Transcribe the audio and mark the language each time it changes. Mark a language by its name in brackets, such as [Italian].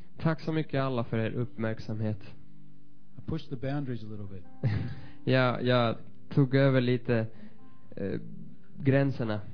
[Swedish] Tack så mycket alla för er uppmärksamhet. [English] I pushed the boundaries a little bit. [Swedish] Ja, jag tog över lite gränserna.